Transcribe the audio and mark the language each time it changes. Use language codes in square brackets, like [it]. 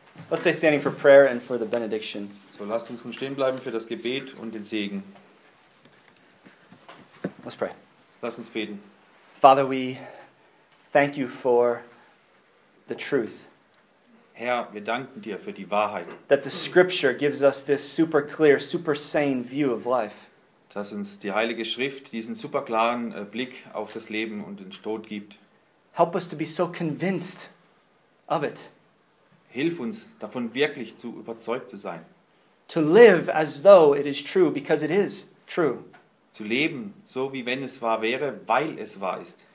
[en] Let's stay standing for prayer and for the benediction. [de] So lasst uns nun stehen bleiben für das Gebet und den Segen. [en] Let's pray. [de] Lass uns beten. [en] Father, we thank you for the truth. [de] Herr, wir danken dir für die Wahrheit. [en] That the scripture gives us this super clear, super sane view of life. [de] Dass uns die Heilige Schrift diesen super klaren Blick auf das Leben und den Tod gibt. [en] Help us to be so convinced of it. [de] Hilf uns, davon wirklich zu überzeugt zu sein. [en] To live as though it is true, because it is true. [de] Zu leben, so wie wenn es wahr wäre, weil es wahr ist.